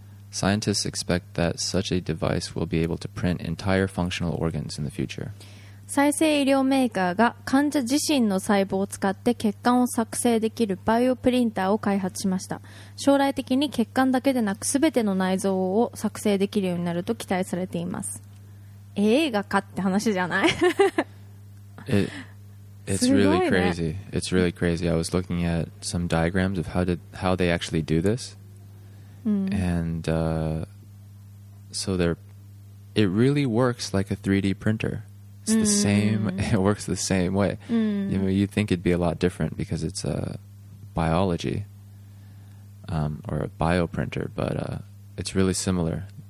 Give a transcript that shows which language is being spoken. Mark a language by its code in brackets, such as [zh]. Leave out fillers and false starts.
[en] Scientists expect that such a device will be able to print entire functional organs in the future. [ja] 再生医療メーカーが患者自身の細胞を使って血管を作成できるバイオプリンターを開発しました。将来的に血管だけでなく全ての内臓を作成できるようになると期待されています。映画かって話じゃない？ [en] It's really crazy. It's really crazy. I was looking at some diagrams of how they actually do this. And so it really works like a 3D printer. It's the same. It works the same way. You know, you'd think it'd be a lot different because it's a biology or a bioprinter, but it's really similar.